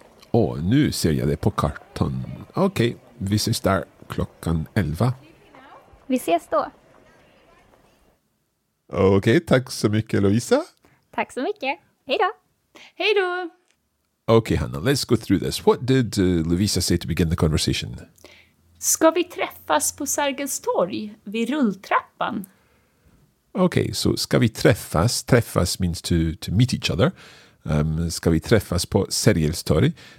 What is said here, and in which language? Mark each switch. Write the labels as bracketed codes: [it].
[sv] Åh, nu ser jag det på kartan. Okej, vi ses där klockan 11. Vi ses då. Okej, tack så mycket, Lovisa. Tack så mycket. Hej då. Hej då. [en] Okay, Hannah, let's go through this. What did Lovisa say to begin the conversation? [sv] Ska vi träffas på Sergels Torg vid rulltrappan? [en] Okay, so [sv] ska vi träffas? [en] Träffas means to meet each other. [sv] Ska vi träffas på Sergels Torg?